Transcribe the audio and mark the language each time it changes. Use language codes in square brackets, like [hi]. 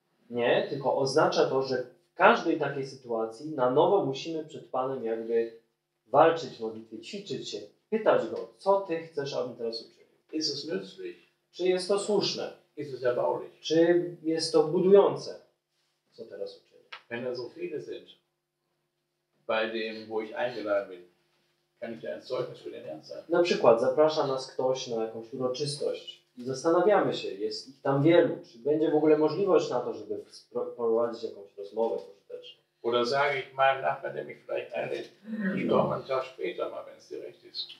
[pl] Nie, tylko oznacza to, że w każdej takiej sytuacji na nowo musimy przed Panem jakby walczyć w modlitwie, ćwiczyć się, pytać Go, co Ty chcesz, abym teraz uczynił. Czy jest to słuszne? [de] Ist es erbaulich? [pl] Czy jest to budujące, co teraz uczynię? [de] Wenn da so viele sind, bei dem, wo ich eingeladen bin, kann ich dir ein Zeugnis für den Herrn sein. [pl] Na przykład zaprasza nas ktoś na jakąś uroczystość i zastanawiamy się, jest ich tam wielu, czy będzie w ogóle możliwość na to, żeby prowadzić jakąś rozmowę pożyteczną. [de] Oder sage ich meinem Nachbarn, der mich vielleicht einlädt, ich komme einen Tag später mal, wenn es dir recht ist.